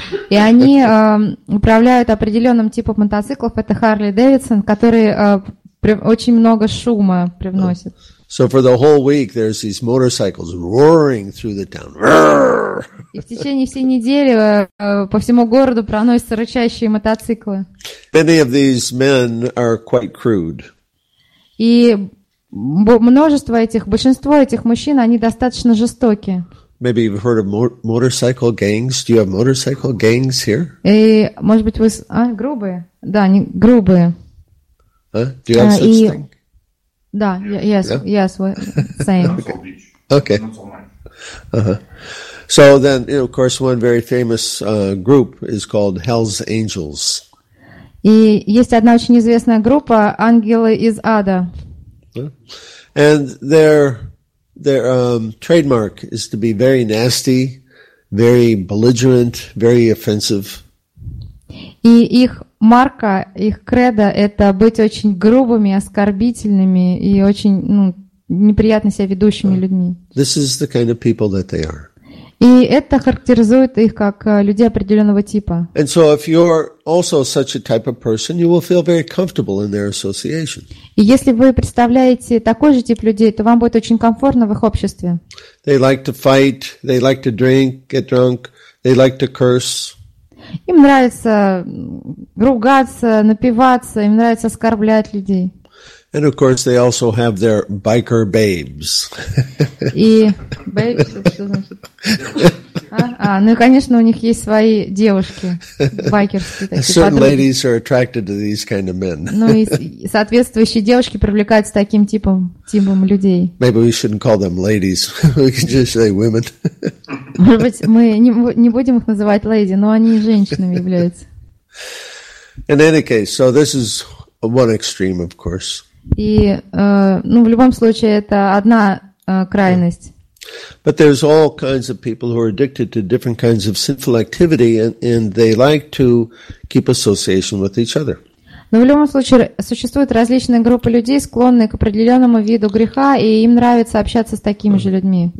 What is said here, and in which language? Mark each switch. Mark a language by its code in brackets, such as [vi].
[ru] И они управляют определенным типом мотоциклов, это Harley Davidson, который очень много шума привносит. [en] So for the whole week there's these motorcycles roaring through the town. [ru] И в течение всей недели по всему городу проносятся рычащие мотоциклы. [en] Many of these men are quite crude. [ru] И множество этих, большинство этих мужчин, они достаточно жестоки. [en] Maybe you've heard of motorcycle gangs. Do you have motorcycle gangs here? [ru] И, может быть, вы... А, грубые? Да, они грубые. [en] Do you have such thing? [ru] Да, [en] yes, yeah? Yes, we're saying. Okay. So then, you know, of course, one very famous group is called Hell's Angels. [ru] И есть одна очень известная группа «Ангелы из ада». [en] And their trademark is to be very nasty, very belligerent, very offensive. [ru] И их марка, их кредо – это быть очень грубыми, оскорбительными и очень, ну, неприятно себя ведущими людьми. [en] This is the kind of people that they are. [ru] И это характеризует их как людей определенного типа. [en] And so if you're also such a type of person, you will feel very comfortable in their association. [ru] И если вы представляете такой же тип людей, то вам будет очень комфортно в их обществе. [en] They like to fight, they like to drink, get drunk, they like to curse. [ru] Им нравится ругаться, напиваться, им нравится оскорблять людей. [en] And of course they also have their biker babes. [ru] И babes, а, ну и, конечно, у них есть свои девушки, байкерские. [en] Certain ladies are attracted to these kind of men. [ru] Ну и соответствующие девушки привлекаются таким типом людей. [en] Maybe we shouldn't call them ladies. We can just say women. [ru] Может быть, мы не будем их называть леди, но они женщинами являются. [en] In any case, so this is one extreme, of course. [ru] И, ну, в любом случае, это одна крайность. [en] But there's all kinds of people who are addicted to different kinds of sinful activity, and they like to keep association with each other. [ru] Но в любом случае существуют различные группы людей, склонные к определенному виду греха, и им нравится общаться с такими же людьми.